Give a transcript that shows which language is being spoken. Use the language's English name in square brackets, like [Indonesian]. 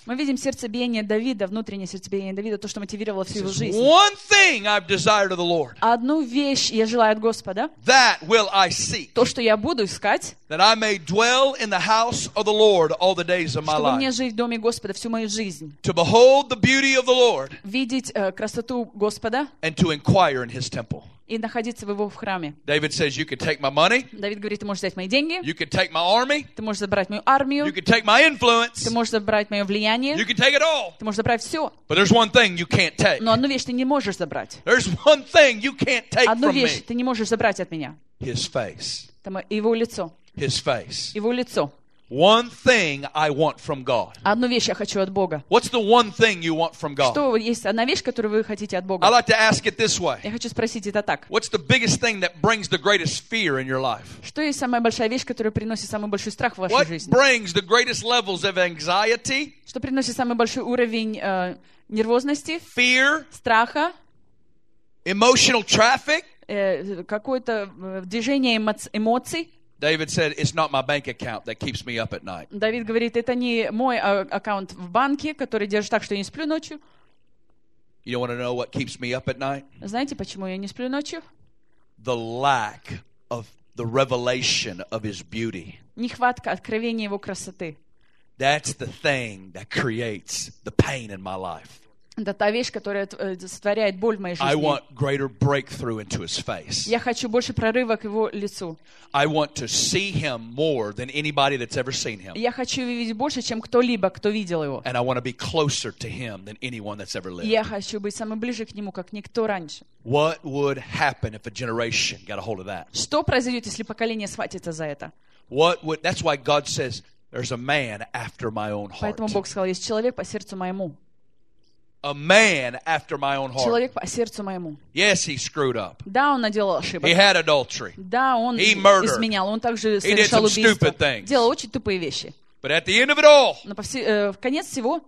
[Russian] Мы видим сердцебиение Давида, внутреннее сердцебиение Давида, то, что мотивировало всю его жизнь. [English] One thing I've desired of the Lord. [Russian] Одну вещь я желаю от Господа. [English] That will I seek. [Russian] То, что я буду искать. [English] That I may dwell in the house of the Lord all the days of my life. [Russian] Чтобы мне жить в доме Господа всю мою жизнь. [English] To behold the beauty of the Lord. [Russian] Видеть красоту Господа. [English] And to inquire in His temple. [Russian] И находиться в его в храме. [English] David says, "You could take my money." [Russian] Давид говорит, ты можешь взять мои деньги. [English] You could take my army. [Russian] Ты можешь забрать мою армию. [English] You could take my influence. [Russian] Ты можешь забрать мое влияние. [English] You could take it all. [Russian] Ты можешь забрать все. [English] But there's one thing you can't take. [Russian] Но одну вещь ты не можешь забрать. [English] There's one thing you can't take from me. [Russian] Одну вещь ты не можешь забрать от меня. [English] His face. [Russian] Его лицо. [English] His face. [Russian] Его лицо. [English] One thing I want from God. [Russian] Одну вещь я хочу от Бога. [English] What's the one thing you want from God? [Russian] Что есть одна вещь, которую вы хотите от Бога? [English] I like to ask it this way. [Russian] Я хочу спросить это так. [English] What's the biggest thing that brings the greatest fear in your life? [Russian] Что есть самая большая вещь, которая приносит самый большой страх в вашей [English] what [Russian] жизни? [English] What brings the greatest levels of anxiety? [Russian] Что приносит самый большой уровень нервозности? [English] Fear. [Russian] Страха. [English] Emotional traffic. [Russian] Какое-то движение эмоций. [English] David said, "It's not my bank account that keeps me up at night." [Russian] Давид говорит, это не мой аккаунт в банке, который держит так, что я не сплю ночью. [English] You don't want to know what keeps me up at night? [Russian] Знаете, почему я не сплю ночью? [English] The lack of the revelation of His beauty. [Russian] Нехватка откровения Его красоты. [English] That's the thing that creates the pain in my life. [Russian] Это та вещь, которая сотворяет боль в моей жизни. [English] I want greater breakthrough into his face. [Russian] Я хочу больше прорыва к его лицу. [English] I want to see him more than anybody that's ever seen him. [Russian] Я хочу видеть больше, чем кто-либо, кто видел его. [English] And I want to be closer to him than anyone that's ever lived. [Russian] Я хочу быть самым ближе к нему, как никто раньше. [English] What would happen if a generation got a hold of that? [Russian] Что произойдет, если поколение схватится за это? [English] What would, that's why God says, there's a man after my own heart. [Russian] Поэтому Бог сказал, есть человек по сердцу моему. [English] A man after my own heart. [Russian] Человек по сердцу моему. [English] Yes, he screwed up. [Russian] Да, он наделал ошибок. [English] He had adultery. [Russian] Да, он [English] he murdered. [Russian] Изменял. Он также [English] he [Russian] совершал [English] did some [Russian] убийство. [English] Stupid things. [Russian] Делал очень тупые вещи. [English] But at the end of it all, [Russian] но по в конец всего,